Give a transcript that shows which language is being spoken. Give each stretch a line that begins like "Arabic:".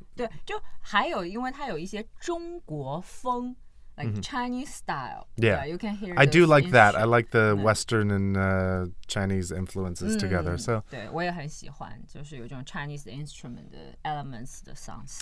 Chinese: 对，就还有，因为它有一些中国风 ，
English: like Chinese style. Yeah, you can hear. I do like that. I like the Western and Chinese influences together. So
Chinese: 对，我也很喜欢，就是有这种 Chinese instrument 的 elements 的 sounds.